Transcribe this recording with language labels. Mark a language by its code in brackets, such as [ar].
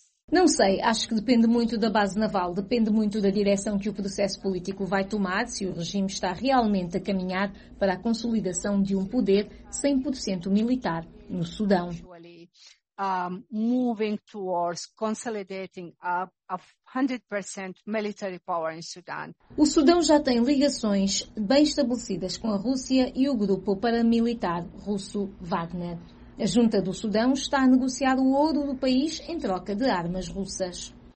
[pt] Não sei, acho que depende muito da base naval, depende muito da direção que o processo político vai tomar, se o regime está realmente a caminhar para a consolidação de um poder 100% militar no Sudão. [en] Moving towards consolidating a 100% military power in Sudan. [pt] O Sudão já tem ligações bem estabelecidas com a Rússia e o grupo paramilitar russo Wagner. A junta do Sudão está a negociar o ouro do país em troca de armas russas.